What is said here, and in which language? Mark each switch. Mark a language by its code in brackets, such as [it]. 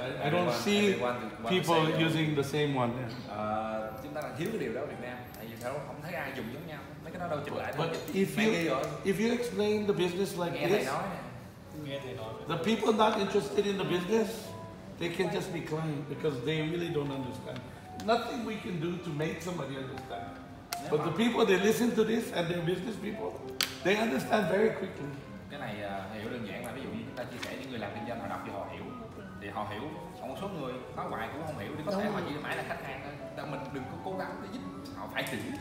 [en] I don't see people using the same one. [vi] Chúng ta đang thiếu cái điều đó ở Việt Nam. Tại vì sao không thấy ai dùng giống nhau? Mấy cái đó đâu chụp lại. [en] But if you explain the business like [vi] nghe [en] this, [vi] thầy nói, [en] the people not interested in the business, they can just be client because they really don't understand. Nothing we can do to make somebody understand. But the people, they listen to this and they're business people, they understand very quickly. [vi] Cái này hiểu đơn giản là ví dụ như chúng ta chia sẻ những người làm kinh doanh, họ đọc thì họ hiểu. Thì họ hiểu, còn một số người nói hoài cũng không hiểu. Thì có thể họ chỉ mãi là khách hàng thôi. Mình đừng có cố gắng để giúp họ phải chỉ.